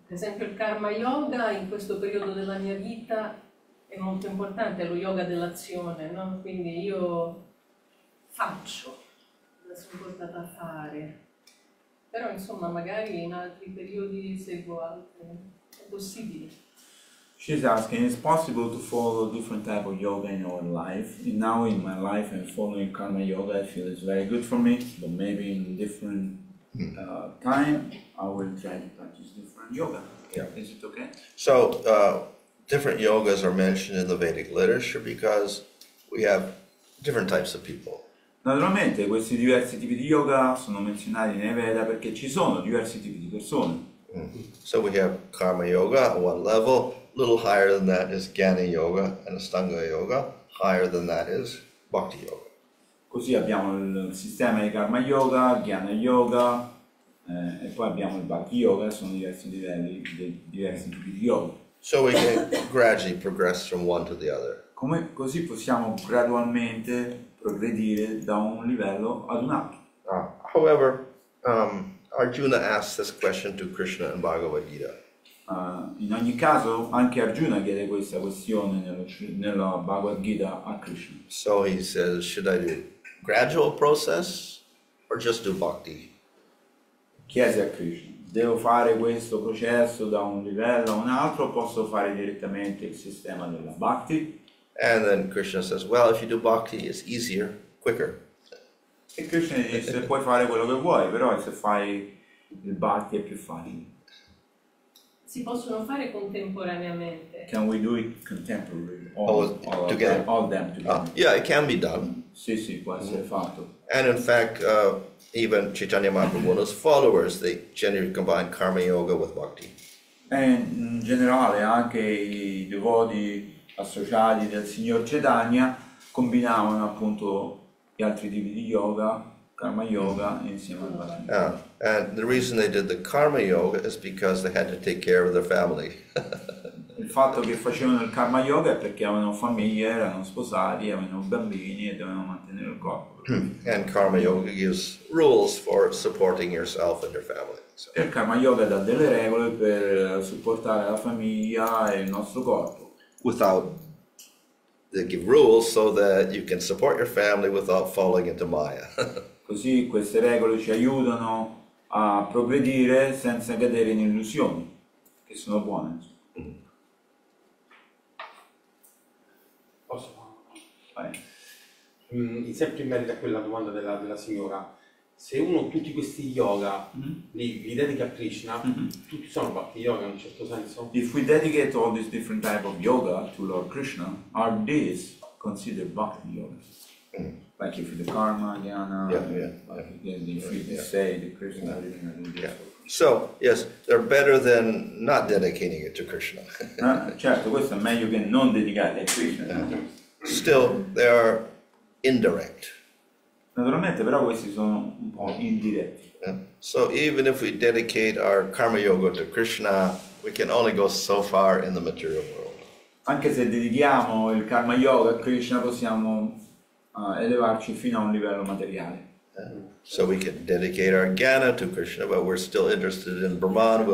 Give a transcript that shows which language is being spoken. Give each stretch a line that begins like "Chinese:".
Italian: Per esempio il karma yoga in questo periodo della mia vita è molto importante, è lo yoga dell'azione, no? Quindi io faccio. Sono portata a fare, però insomma magari in altri periodi seguo altre, è possibile.
English: She's asking, is possible to follow different type of yoga in our life? And now in my life I'm following karma yoga, I feel it's very good for me, but maybe in different time I will try to practice different yoga. Yeah. Is it okay? So different yogas are mentioned in the Vedic literature because we have different types of people.
Italian: Naturalmente questi diversi tipi di yoga sono menzionati nei Veda perché ci sono diversi tipi di persone.
English: So we have karma yoga at one level, a little higher than that is jnana yoga and astanga yoga, higher than that is bhakti yoga.
Italian: Così abbiamo il sistema di karma yoga, jnana yoga, e poi abbiamo il bhakti yoga, sono diversi livelli, diversi tipi di yoga.
English: So we can gradually progress from one to the other.
Italian: Come così possiamo gradualmente progredire da un livello ad un altro.
English: However, Arjuna asks this question to Krishna in Bhagavad Gita.
Italian: In ogni caso, anche Arjuna chiede questa questione nella Bhagavad Gita a Krishna.
English: So he says, should I do gradual process or just do bhakti?
Italian: Chiese a Krishna, devo fare questo processo da un livello a un altro o posso fare direttamente il sistema della bhakti?
English: And then Krishna says, well, if you do bhakti, it's easier, quicker.
Italian: E Krishna dice, puoi fare quello che vuoi, però se fai il bhakti è più facile. Si possono fare contemporaneamente.
English: Can we do it contemporarily? All together? All them together. Yeah, it can be done.
Italian: Sì, sì, può essere fatto.
English: And in fact, even Chaitanya Mahaprabhu's followers, they generally combine karma yoga with bhakti.
Italian: And in generale, anche i devoti associati del signor Chaitanya combinavano appunto gli altri tipi di yoga, karma yoga, insieme al bhakti.
English: Yeah. And the reason they did the karma yoga is because they had to take care of their family.
Italian: Il fatto che facevano il karma yoga è perché avevano famiglia, erano sposati, avevano bambini e dovevano mantenere il corpo.
English: And karma yoga gives rules for supporting yourself and your family. So.
Italian: Il karma yoga dà delle regole per supportare la famiglia e il nostro corpo.
English: Without, they give rules so that you can support your family without falling into Maya.
Italian: Così queste regole ci aiutano a progredire senza cadere in illusioni, che sono buone. Posso? In sempre in merito a quella domanda della signora, se uno tutti questi yoga li dedica a Krishna, tutti sono bhakti yoga in un certo senso.
English: If we dedicate all these different type of yoga to Lord Krishna, are these considered bhakti yoga? Like if the karma, jnana, yeah. Like if we say the Krishna, yeah. So, yes, they're better than not dedicating it to Krishna.
Italian: Certo, questo è meglio che non dedicarli a Krishna.
English: Still, they are indirect.
Italian: Naturalmente, però questi sono un po' indiretti.
English: Yeah. So even if we dedicate our karma yoga to Krishna, we can only go so far in the material world.
Italian: Anche se dedichiamo il karma yoga a Krishna, possiamo elevarci fino a un livello materiale.
English: So we can dedicate our jnana to Krishna, but we're still interested in Brahman.